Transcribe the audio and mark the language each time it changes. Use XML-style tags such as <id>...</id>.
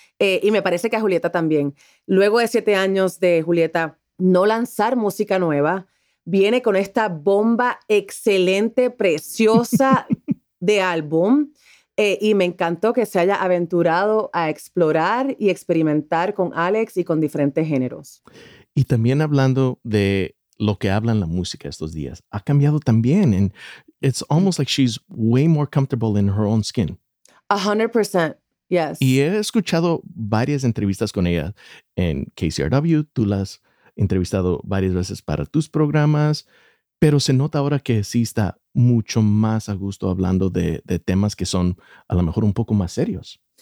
<es>Y me parece que a Julieta también. Luego de 7 años de Julieta no lanzar música nueva, viene con esta bomba excelente, preciosa de álbum. Y me encantó que se haya aventurado a explorar y experimentar con Alex y con diferentes géneros. Y también hablando de lo que habla en la música estos días, ha cambiado también.</es> <en>And it's almost like she's way more comfortable in her own skin. 100%, yes.</en> <es>Y he escuchado varias entrevistas con ella en KCRW. Tú la has entrevistado varias veces para tus programas. Pero se nota ahora que sí está mucho más a gusto hablando de temas que son a lo mejor un poco más serios.</es>